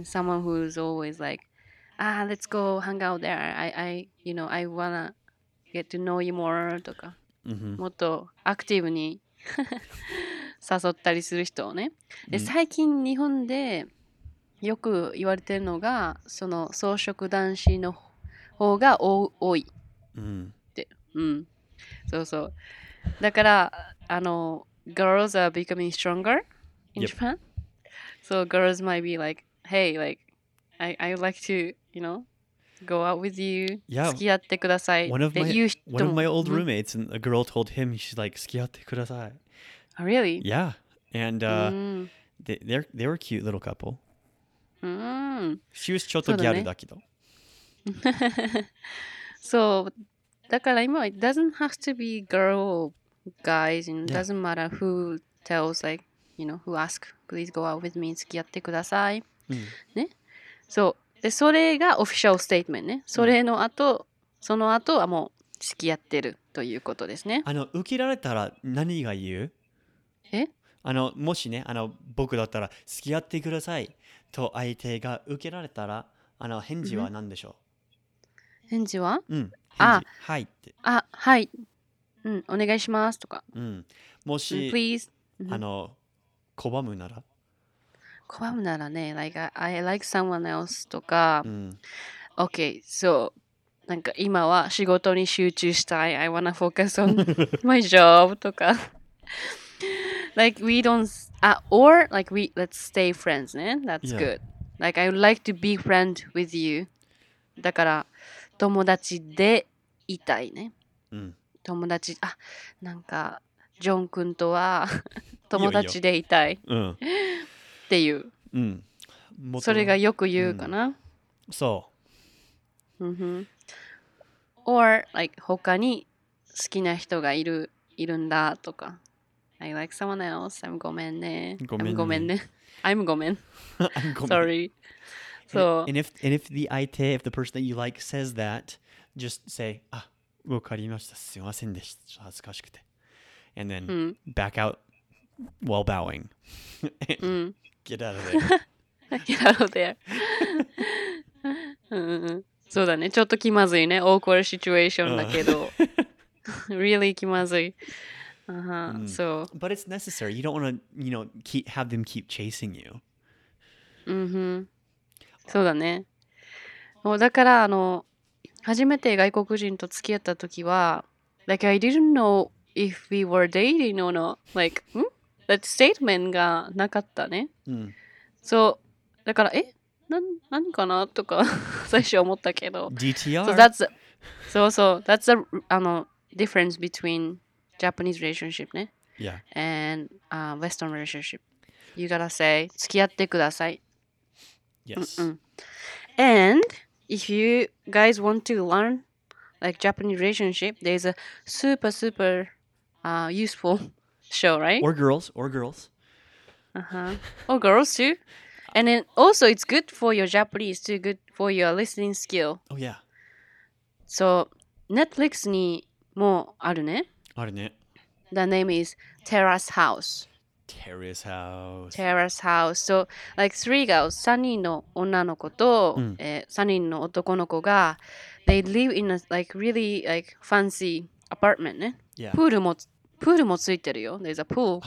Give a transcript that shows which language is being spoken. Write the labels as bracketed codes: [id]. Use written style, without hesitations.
[en] Someone who's always like, ah, let's go hang out there. I, you know, I wanna get to know you more とか、 mm-hmm. [ja] もっとアクティブに誘ったりする人をね。で、mm-hmm. 最近日本でよく言われてるのが、その草食男子の方が多い。 Mm-hmm. で、うん。そうそう。 [en] だからあの girls are becoming stronger in、yep. Japan, so girls might be like, hey, like I would like to, you know, go out with you. Yeah. [ja] 付き合ってください。 [en] One of my old roommates, and a girl told him, she's like, 付き合ってください。 Oh, really? Yeah. And、they were a cute little couple.、 Mm. [ja] She was ちょっとギャルだけど。 [en] So. だから今 it doesn't have to be girl or guys, and it doesn't matter who tells, like, you know, who ask, please go out with me, 付き合ってください、 [ja] うん、ね、そう、でそれがオフィシャルステートメントね、それの後、うん、その後はもう付き合ってるということですね、あの受けられたら何が言う、え、あのもしね、あの僕だったら付き合ってくださいと相手が受けられたら、あの返事は何でしょう、返事は、うん、はいって、あ、はい、うん、お願いしますとか、うん、もし、 [en] Please. [ja] あの拒むなら、拒むならね、 like I like someone else とか、うん、 [en] okay, so なんか今は仕事に集中したい、 I wanna focus on my job とか、like we don't, or like we let's stay friends ね、that's、yeah. good, like I would like to be friend with you, だから。 [ja] 友達でいたいね、うん、友達、あ、なんかジョン君とは友達でいたい、うん、っていう、うん、もそれがよく言うかな、うん、そう、うん、or like 他に好きな人がいるんだとか、 [en] I like someone else. I'm ごめんね。 [ja] ごめんね。 [en] I'm ごめんね。I'm ごめん。 I'm ごめん。 Sorry. So, and if the 相手, if the person that you like says that, just say, あ、わかりました。 [ja] すいませんでした。恥ずかしくて。 [en] And then back out while bowing. Get out of there. Get out of there. そうだね。ちょっと気まずいね。 Awkward situation だけど。 really 気まずい。 So. But it's necessary. You don't want to, you know, have them keep chasing you. [ja] Mm-hmm. そうだね。 [en] だから、あの、初めて外国人と付き合ったときは、 like, I didn't know if we were dating or not. [ja] Like, That statement がなかったね。So, だから、え? 何かなとか最初思ったけど。 [en] DTR? So, that's, so, so, that's a, あの、difference between Japanese relationship, ね? Yeah. And Western relationship. You gotta say, 付き合ってください。 Yes. And if you guys want to learn like Japanese relationship, there's a super, super useful show, right? Or girls. Uh-huh. Or girls too. And then also it's good for your Japanese too, good for your listening skill. Oh, yeah. [ja] So Netflix にもあるね。あるね。 [en] The name is Terrace House. Terrace House. So, like three girls, 3人の女の子と、3人の男の子が、 they live in a like, really like, fancy apartment. [ja] ね、 [en] yeah. [ja] プールもついてるよ。 There's a pool.